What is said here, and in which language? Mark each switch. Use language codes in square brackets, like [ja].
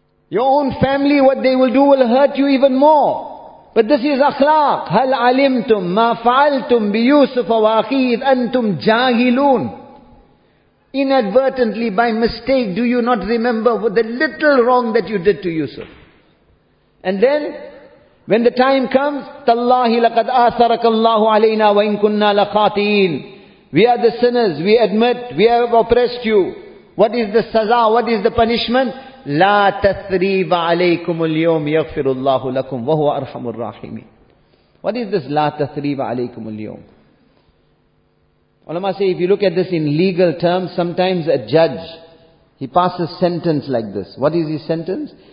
[en] Your own family, what they will do will hurt you even more. But this is akhlaq. [ar] Hal alimtum ma fa'altum bi Yusuf wa akhihi antum jahilun. [en] Inadvertently, by mistake, do you not remember the little wrong that you did to Yusuf? And then, when the time comes, [ar] تَاللَّهِ لَقَدْ آثَرَكَ اللَّهُ عَلَيْنَا وَإِن كُنَّا لَخَاطِئِينَ. [en] We are the sinners, we admit, we have oppressed you. What is the saza, what is the punishment? [ar] لَا تَثْرِيبَ عَلَيْكُمُ الْيَوْمِ يَغْفِرُ اللَّهُ لَكُمْ وَهُوَ أَرْحَمُ الرَّاحِمِينَ. [en] What is this [ar] لَا تَثْرِيبَ عَلَيْكُمُ الْيَوْمِ? [en] Ulama say, if you look at this in legal terms, sometimes a judge, he passes sentence like this. What is his sentence?